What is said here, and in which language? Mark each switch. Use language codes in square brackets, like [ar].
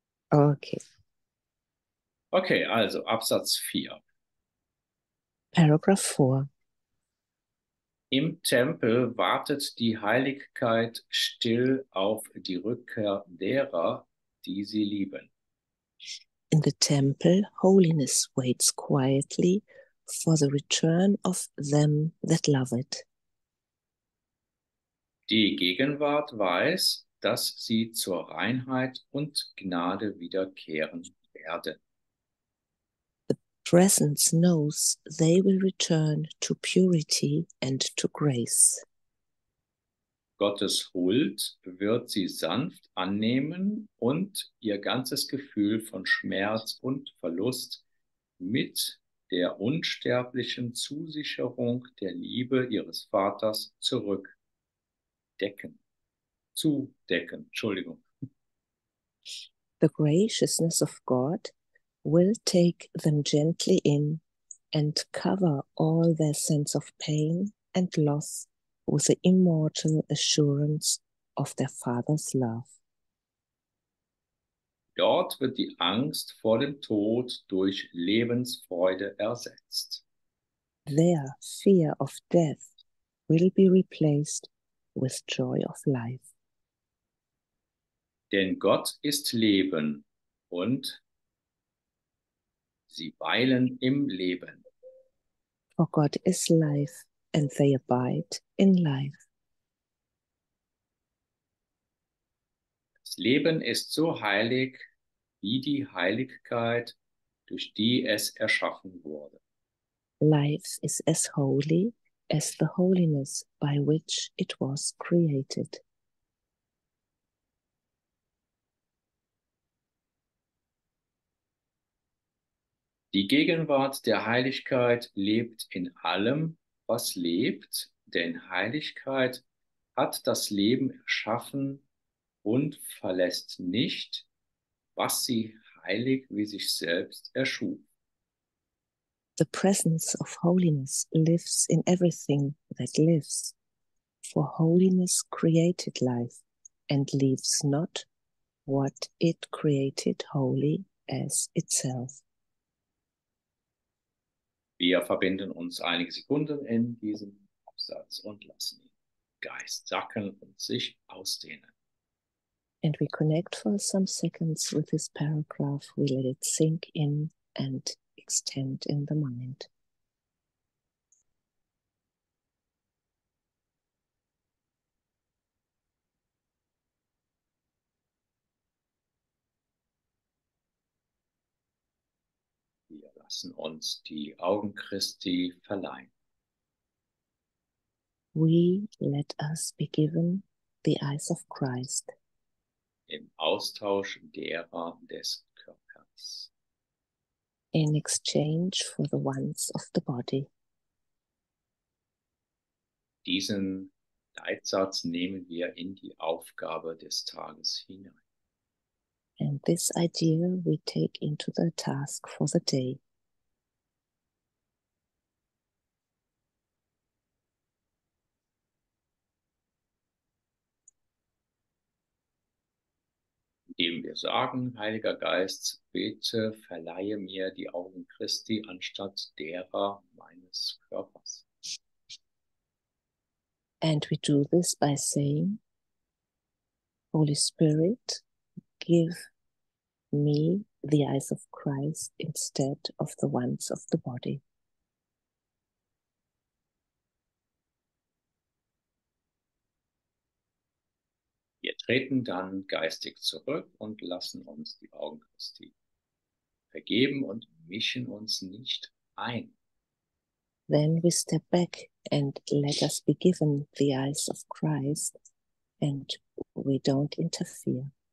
[de] Okay. Okay, also Absatz 4. [en] Paragraph 4. [de] Im Tempel wartet die Heiligkeit still auf die Rückkehr derer, die sie lieben. [en] In the temple, holiness waits quietly for the return of them that love it. [de] Die Gegenwart weiß, dass sie zur Reinheit und Gnade wiederkehren werden. [en] The presence knows they will return to purity and to grace. [de] Gottes Huld wird sie sanft annehmen und ihr ganzes Gefühl von Schmerz und Verlust mit der unsterblichen Zusicherung der Liebe ihres Vaters zurück decken. Zudecken, Entschuldigung. [en] The graciousness of God will take them gently in and cover all their sense of pain and loss with the immortal assurance of their Father's love. [de] Dort wird die Angst vor dem Tod durch Lebensfreude ersetzt. [en] Their fear of death will be replaced with joy of life. [de] Denn Gott ist Leben und sie weilen im Leben. [en] For God is life and they abide in life. [de] Das Leben ist so heilig wie die Heiligkeit, durch die es erschaffen wurde. [en] Life is as holy as the holiness by which it was created. [de] Die Gegenwart der Heiligkeit lebt in allem, was lebt, denn Heiligkeit hat das Leben erschaffen und verlässt nicht, was sie heilig wie sich selbst erschuf. [en] The presence of holiness lives in everything that lives, for holiness created life and leaves not what it created holy as itself. [de] Wir verbinden uns einige Sekunden in diesem Absatz und lassen den Geist sacken und sich ausdehnen. [en] And we connect for some seconds with this paragraph. We let it sink in and extend in the mind. [de] Wir lassen uns die Augen Christi verleihen. [en] We let us be given the eyes of Christ. [de] Im Austausch derer des Körpers. [en] In exchange for the ones of the body. [de] Diesen Leitsatz nehmen wir in die Aufgabe des Tages hinein. [en] And this idea we take into the task for the day. [de] Indem wir sagen, Heiliger Geist, bitte verleihe mir die Augen Christi anstatt derer meines Körpers. [en] And we do this by saying, Holy Spirit, give me the eyes of Christ instead of the ones of the body. [de] Treten dann geistig zurück und lassen uns die Augen Christi vergeben und mischen uns nicht ein. [en] Then we step back and let us be given the eyes of Christ and we don't interfere.